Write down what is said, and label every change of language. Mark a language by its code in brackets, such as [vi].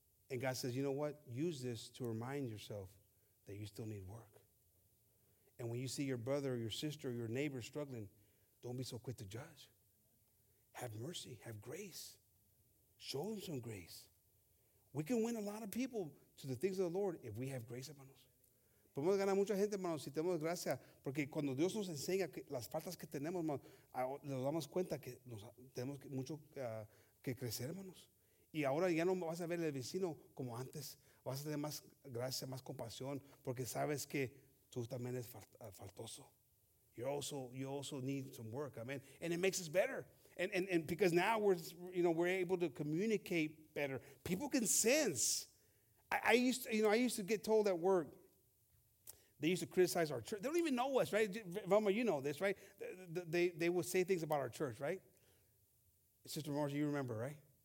[en] And God says, you know what? Use this to remind yourself that you still need work. And when you see your brother or your sister or your neighbor struggling, don't be so quick to judge. Have mercy. Have grace. Show them some grace. We can win a lot of people to the things of the Lord if we have grace, hermanos. [es] Podemos ganar mucha gente, hermanos, si tenemos gracia. Porque cuando Dios nos enseña las faltas que tenemos, hermanos, nos damos cuenta que tenemos mucho que crecer, hermanos. Y ahora ya no vas a ver al vecino como antes. Vas a tener más gracia, más compasión, porque sabes que tú también eres faltoso. [en] You also need some work, amen. And it makes us better. And because now we're able to communicate better. People can sense. I used to get told at work, they used to criticize our church. They don't even know us, right? Velma, you know this, right? They would say things about our church, right? Sister Marjorie, you remember, right?